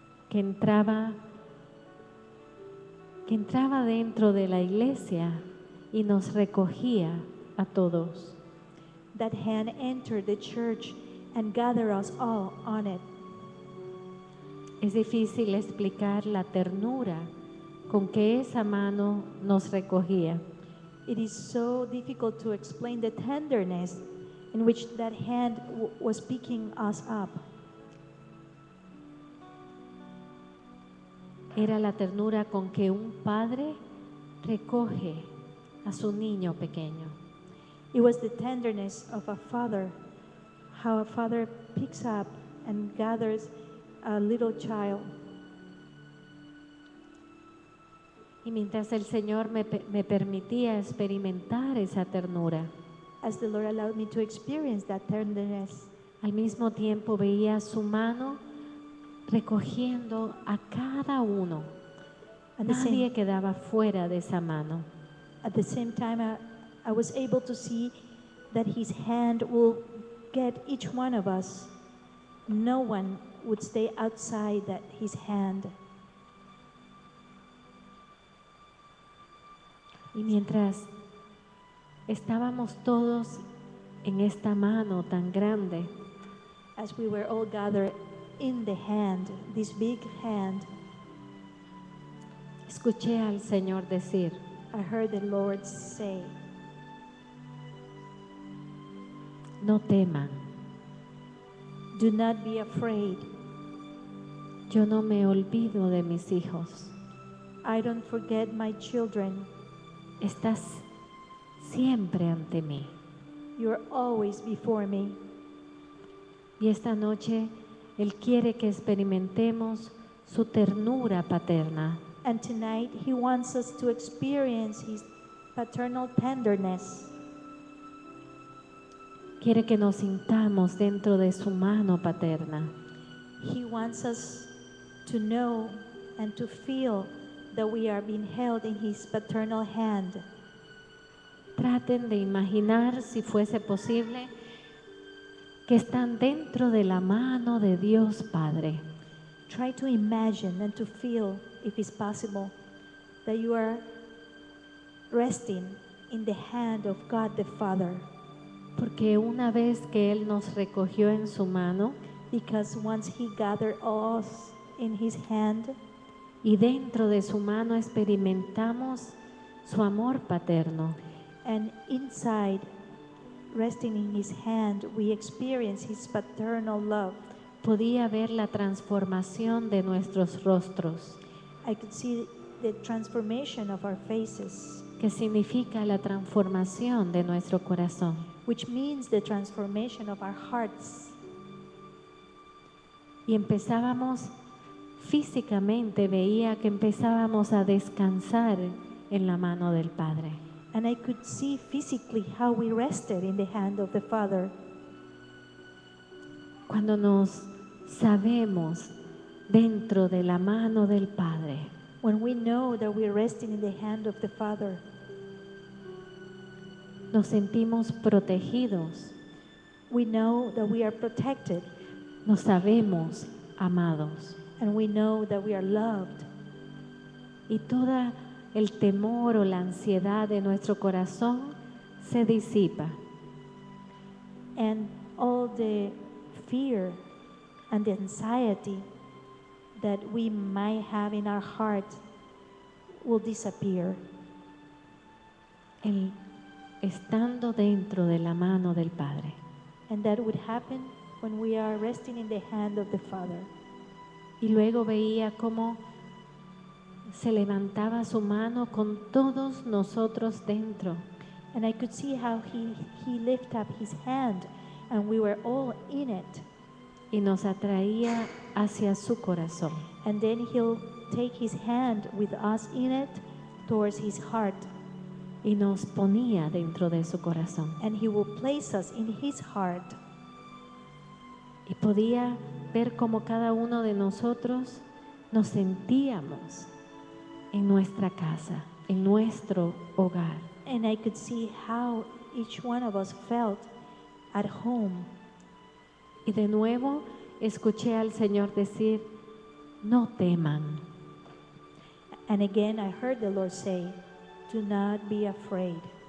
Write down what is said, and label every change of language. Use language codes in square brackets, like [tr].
[es] Que entraba dentro de la iglesia y nos recogía a todos. [en] That hand entered the church and gathered us all on it. [es] Es difícil explicar la ternura con que esa mano nos recogía. [en] It is so difficult to explain the tenderness in which that hand was picking us up. [es] Era la ternura con que un padre recoge a su niño pequeño. [en] It was the tenderness of a father, how a father picks up and gathers a little child. [es] Y mientras el Señor me permitía experimentar esa ternura, [en] as the Lord allowed me to experience that tenderness, [es] al mismo tiempo veía su mano recogiendo a cada uno. Nadie quedaba fuera de esa mano. [en] At the same time, I was able to see that his hand will get each one of us. No one would stay outside that his hand. [es] Y mientras estábamos todos en esta mano tan grande, [en] as we were all gathered in the hand, this big hand, [es] escuché al Señor decir, [en] I heard the Lord say, [es] no teman, [en] do not be afraid, [es] yo no me olvido de mis hijos, [en] I don't forget my children, [es] estás siempre ante mí, [en] you are always before me. [es] Y esta noche Él quiere que experimentemos su ternura paterna. [en] And tonight he wants us to experience his paternal tenderness. [es] Quiere que nos sintamos dentro de su mano paterna. [en] He wants us to know and to feel that we are being held in his paternal hand. [es] Traten de imaginar, si fuese posible, que están dentro de la mano de Dios Padre. [en] Try to imagine and to feel, if it's possible, that you are resting in the hand of God the Father. [es] Porque una vez que Él nos recogió en su mano, [en] because once He gathered us in His hand, [es] y dentro de su mano experimentamos su amor paterno, [en] and inside, resting in his hand, we experience his paternal love. [es] Podía ver la transformación de nuestros rostros. [en] I could see the transformation of our faces. [es] Que significa la transformación de nuestro corazón. [en] Which means the transformation of our hearts. [es] Y empezábamos, físicamente veía que empezábamos a descansar en la mano del Padre. [en] And I could see physically how we rested in the hand of the Father. [es] Cuando nos sabemos dentro de la mano del Padre, [en] when we know that we're resting in the hand of the Father, [es] nos sentimos protegidos. [en] We know that we are protected. [es] Nos sabemos amados. [en] And we know that we are loved. [es] Y toda el temor o la ansiedad de nuestro corazón se disipa. [en] And all the fear and the anxiety that we might have in our heart will disappear. [es] El estando dentro de la mano del Padre. [en] And that would happen when we are resting in the hand of the Father. [es] Y luego veía cómo se levantaba su mano con todos nosotros dentro. [en] And I could see how he lifted up his hand and we were all in it. [es] Y nos atraía hacia su corazón. [en] And then he'll take his hand with us in it towards his heart. [es] Y nos ponía dentro de su corazón. [en] And he will place us in his heart. [es] Y podía ver cómo cada uno de nosotros nos sentíamos en nuestra casa, en nuestro hogar. [en] And I could see how each one of us felt at home. [es] Y de nuevo escuché al Señor decir, no teman. [en] And again I heard the Lord say, do not be afraid.